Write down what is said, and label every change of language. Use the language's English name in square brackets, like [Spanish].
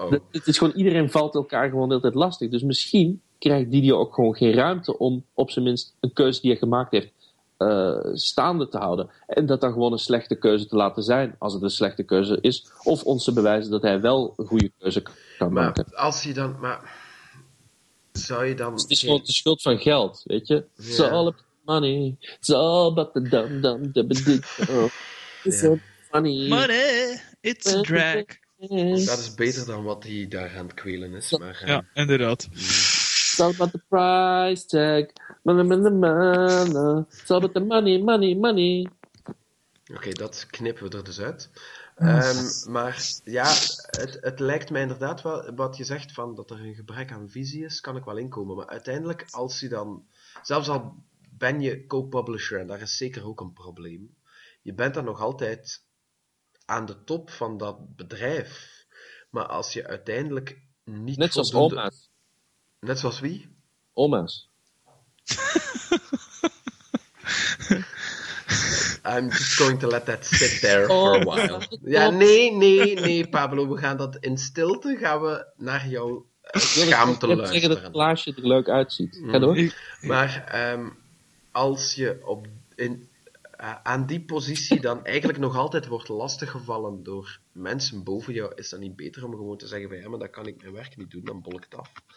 [Dutch] Het is gewoon, iedereen valt elkaar gewoon de hele tijd lastig. Dus misschien krijgt Didier ook gewoon geen ruimte om op zijn minst een keuze die hij gemaakt heeft staande te houden. En dat dan gewoon een slechte keuze te laten zijn, als het een slechte keuze is. Of ons te bewijzen dat hij wel een goede keuze kan maken. Maar als hij dan... Maar... Zou je dan... Het is gewoon de schuld van geld, weet je? [English] It's all about the money. It's all about the dumb, dumb, dumb, dumb. It's all funny. Money, it's a drag. [Dutch] Dat is beter dan wat hij daar aan het kwelen is. Maar, ja, inderdaad. [English] It's all about the price tag. Money, money, money. It's all about the money, money, money. [Dutch] Oké, dat knippen we er dus uit. Maar ja, het lijkt mij inderdaad wel, wat je zegt, van dat er een gebrek aan visie is, kan ik wel inkomen. Maar uiteindelijk, als je dan, zelfs al ben je co-publisher, en daar is zeker ook een probleem, je bent dan nog altijd aan de top van dat bedrijf. Maar als je uiteindelijk niet... Net zoals voldoende... oma's. Net zoals wie? Oma's. [English] I'm just going to let that sit there for a while. [Dutch] Ja, nee, Pablo, we gaan dat in stilte, gaan we naar jouw schaamte luisteren. Ik wil zeggen dat het glaasje er leuk uitziet. Ga door. Maar als je aan die positie dan eigenlijk nog altijd wordt lastiggevallen door mensen boven jou, is dat niet beter om gewoon te zeggen van ja, maar dan kan ik mijn werk niet doen, dan bol ik het af.